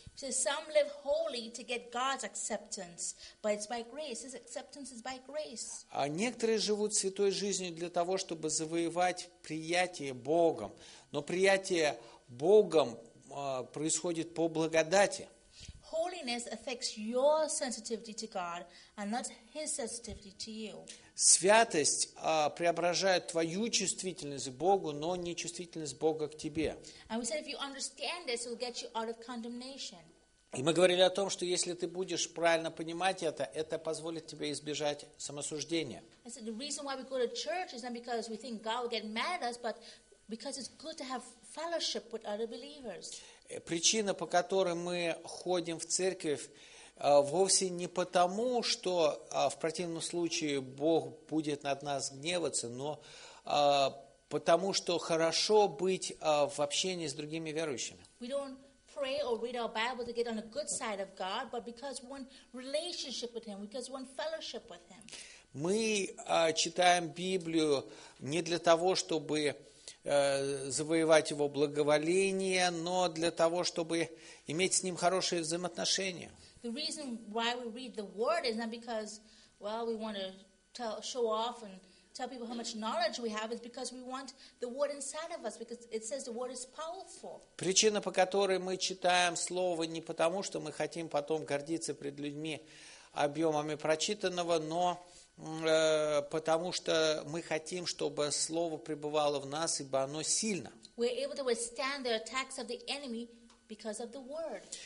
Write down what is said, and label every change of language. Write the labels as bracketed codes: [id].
[en] So some live holy to get God's acceptance, but it's by grace. His acceptance is by grace. [ru] А некоторые живут святой жизнью для того, чтобы завоевать приятие Богом, но приятие Богом происходит по благодати. [en] Holiness affects your sensitivity to God and not His sensitivity to you. [ru] Святость преображает твою чувствительность к Богу, но не чувствительность Бога к тебе. [en] And we said if you understand this, it'll get you out of condemnation. [ru] И мы говорили о том, что если ты будешь правильно понимать это позволит тебе избежать самосуждения. [en] I said the reason why we go to church is not because we think God will get mad at us, but because it's good to have fellowship with other believers. [ru] Причина, по которой мы ходим в церковь, вовсе не потому, что в противном случае Бог будет над нас гневаться, но потому, что хорошо быть в общении с другими верующими. [en] We don't pray or read our Bible to get on the good side of God, but because we want relationship with Him, because we want fellowship with Him. [ru] Мы читаем Библию не для того, чтобы завоевать его благоволение, но для того, чтобы иметь с ним хорошие взаимоотношения. [en] The reason why we read the word is not because, well, we want to show off and tell people how much knowledge we have, it's because we want the word inside of us, because it says the word is powerful. [ru] Причина, по которой мы читаем слово, не потому, что мы хотим потом гордиться пред людьми объемами прочитанного, но потому что мы хотим, чтобы Слово пребывало в нас, ибо оно сильно. [en] We're able to withstand the attacks of the enemy because of the Word.